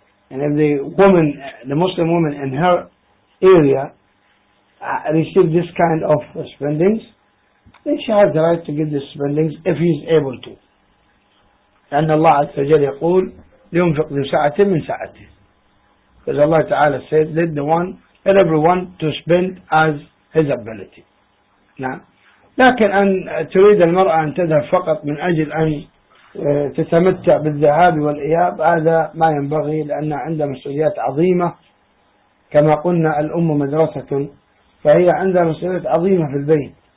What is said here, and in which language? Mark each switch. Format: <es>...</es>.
<en>And if the woman, the Muslim woman in her area, receive this kind of spendings, then she has the right to give the spendings if he is able to. And Allah Azza wa Jalla</en> <ar>يقول لينفق ذو ساعة من ساعته.</ar> <en>Because Allah Ta'ala said, let the one and everyone to spend as his ability.</en> <ar>لكن أن تريد المرأة أن تذهب فقط من أجل أن تتمتع بالذهاب والإياب, هذا ما ينبغي, لأن عندها مسؤوليات عظيمة. كما قلنا, الأم مدرسة, فهي عندها مسؤوليات عظيمة في البيت.</ar>